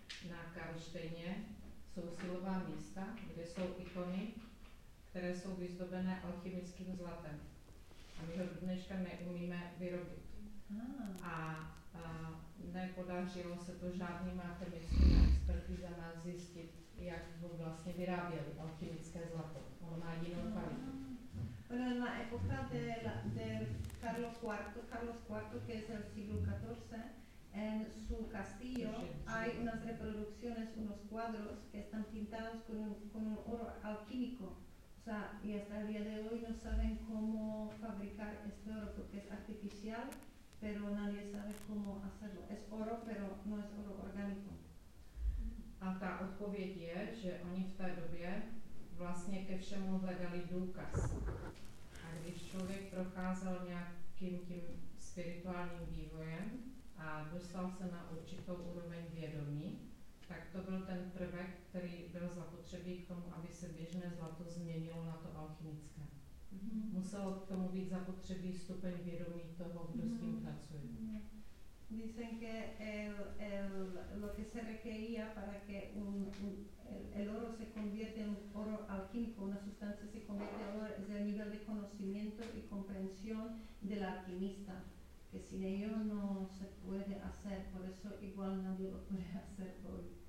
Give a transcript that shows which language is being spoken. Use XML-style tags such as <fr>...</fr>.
<cs>Na Karlštejně jsou silová místa, kde jsou ikony, které jsou vyzdobené alchymickým zlatem. A my ho dneška neumíme vyrobit. A nepodařilo se to žádnýma chemickými experty za nás zjistit, jak ho vlastně vyráběli alchymické zlato. Ono má jinou kvalitu.</cs> <es>Bueno, en la época de Carlos IV, que es el siglo XIV, en su castillo hay unas reproducciones, unos cuadros que están pintados con un oro alquímico. O sea, y hasta el día de hoy no saben cómo fabricar este oro porque es artificial, pero nadie sabe cómo hacerlo. Es oro, pero no es oro orgánico.</es> <cs>A ta odpověď je, že oni v té době vlastně ke všemu hledali důkaz. A když člověk procházel nějakým tím spirituálním vývojem, a dostal se na určitou úroveň vědomí, tak to byl ten prvek, který byl zapotřebí k tomu, aby se běžné zlato změnilo na to alchymické. Muselo k tomu být zapotřebí stupeň vědomí toho, kdo s tím pracuje.</cs> <es>Dicen que lo que se requería para que el oro se convierte en oro alquímico, una sustancia se convierte en oro, es el nivel de conocimiento y comprensión del alquimista. Que sin ello no se puede hacer, por eso igual nadie lo puede hacer hoy.</es>